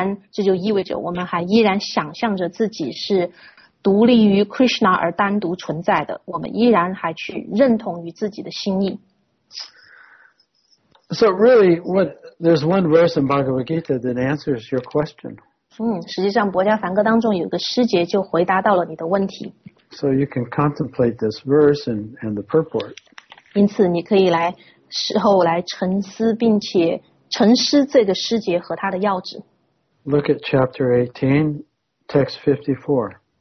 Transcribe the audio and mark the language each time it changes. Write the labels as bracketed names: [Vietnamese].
[Chinese] 这就意味着我们还依然想象着自己是独立于 Krishna 而单独存在的，我们依然还去认同于自己的心意。 [English] So really, there's one verse in Bhagavad Gita that answers your question. [Chinese] 实际上《博迦梵歌》当中有个诗节就回答到了你的问题。 [English] So you can contemplate this verse and the purport. [Chinese] 因此你可以来事后来沉思并且沉思这个诗节和它的要旨。 [English] Look at chapter 18, text 54.